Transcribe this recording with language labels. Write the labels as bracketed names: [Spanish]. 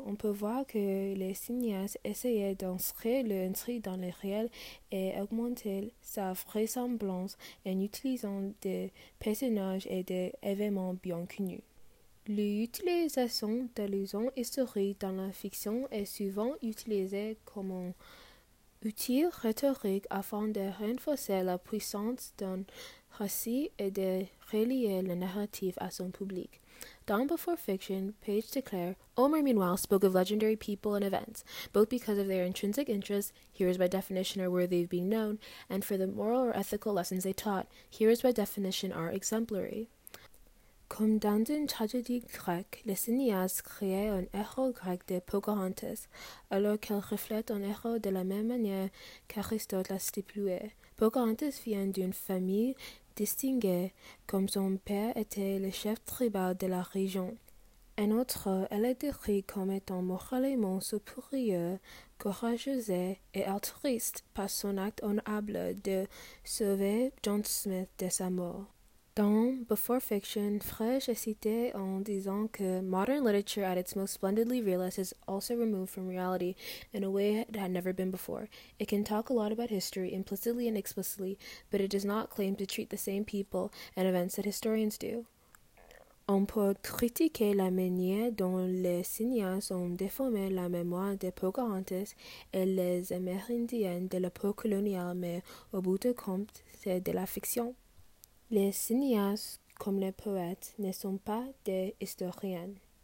[French] On peut voir que les cinéastes essayaient d'inscrire l'intrigue dans le réel et augmenter sa vraisemblance en utilisant des personnages et des événements bien connus. L'utilisation d'allusions historiques dans la fiction est souvent utilisée comme un outil rhétorique afin de renforcer la puissance d'un récit et de relier le narratif à son public. Dans Before Fiction, Page déclare: [English] Homer, meanwhile, spoke of legendary people and events, both because of their intrinsic interests, heroes by definition are worthy of being known, and for the moral or ethical lessons they taught, heroes by definition are exemplary. [French] Comme dans une tragédie grecque, le cinéaste créait un héros grec de Pocahontas, alors qu'elle reflète un héros de la même manière qu'Aristote l'a stipulé. Pocahontas vient d'une famille distinguée, comme son père était le chef tribal de la région. En outre, elle est décrite comme étant moralement supérieure, courageuse et altruiste par son acte honorable de sauver John Smith de sa mort. Dans Before Fiction, Frege est cité en disant que [English] modern literature at its most splendidly realist is also removed from reality in a way it had never been before. It can talk a lot about history, implicitly and explicitly, but it does not claim to treat the same people and events that historians do. [French] On peut critiquer la manière dont les cinéastes ont déformé la mémoire de Pocahontas et les Amérindiennes de l'époque coloniale, mais au bout du compte, c'est de la fiction. Les cinéastes, comme les poètes, ne sont pas des historiens.